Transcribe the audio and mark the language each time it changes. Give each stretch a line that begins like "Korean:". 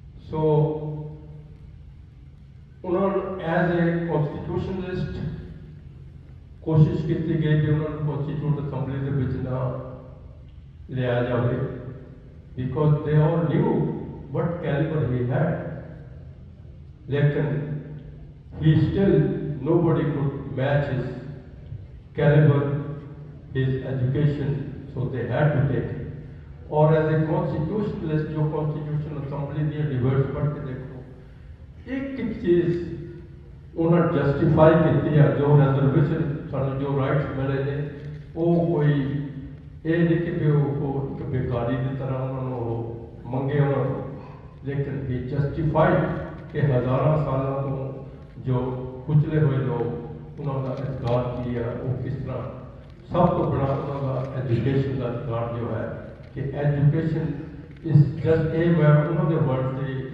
Punjabi: ਸੋ ਉਹਨਾਂ ਨੂੰ
English: as a constitutionalist
Punjabi: ਕੋਸ਼ਿਸ਼ ਕੀਤੀ ਗਈ ਕਿ ਉਹਨਾਂ ਨੂੰ ਕੋਨਸਟੀਟਿਊਟ ਅਸੈਂਬਲੀ ਦੇ ਵਿੱਚ ਨਾ ਲਿਆ ਜਾਵੇ,
English: Because they are knew what caliber he had. Lekin he still, nobody could match his caliber, his education, so they had to take it. Or as a constitutionalist,
Punjabi: jo constitution assembly diye reverse par ke dekho, ek ek cheez unhon justify kiti hai, jo reservation sanu jo rights mile ne, oh koi ਇਹ ਨਹੀਂ ਕਿ ਵੀ ਉਹ ਇੱਕ ਬੇਕਾਰੀ ਦੀ ਤਰ੍ਹਾਂ ਉਹਨਾਂ ਨੂੰ ਉਹ ਮੰਗੇ ਉਹਨਾਂ ਤੋਂ, ਲੇਕਿਨ ਇਹ ਜਸਟੀਫਾਈਡ ਕਿ ਹਜ਼ਾਰਾਂ ਸਾਲਾਂ ਤੋਂ ਜੋ ਕੁਚਲੇ ਹੋਏ ਲੋਕ ਉਹਨਾਂ ਦਾ ਅਧਿਕਾਰ ਕੀ ਹੈ, ਉਹ ਕਿਸ ਤਰ੍ਹਾਂ ਸਭ ਤੋਂ ਬੜਾ ਉਹਨਾਂ ਦਾ ਐਜੂਕੇਸ਼ਨ ਦਾ ਅਧਿਕਾਰ ਜੋ ਹੈ ਕਿ ਐਜੂਕੇਸ਼ਨ ਇਸ ਜਸਟ ਇਹ ਮੈਂ ਉਹਨਾਂ ਦੇ ਵਰਡ 'ਤੇ